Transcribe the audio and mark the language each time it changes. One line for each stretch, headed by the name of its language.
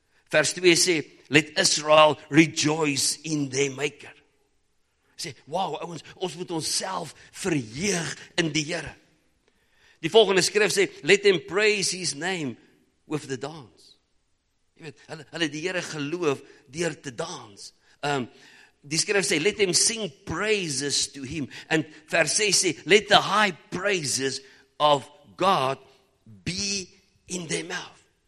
Afrikaans: Vers 2 sê,
English: let Israel rejoice in their maker.
Afrikaans: Sê, wow, ouens, ons moet onsself verheug in die Here. Die volgende skrif sê,
English: let him praise his name with the dance.
Afrikaans: Jy weet, hulle die Here geloof deur te dans. Die skrif sê,
English: let him sing praises to him.
Afrikaans: En vers 6 sê,
English: let the high praises of God be in their mouth.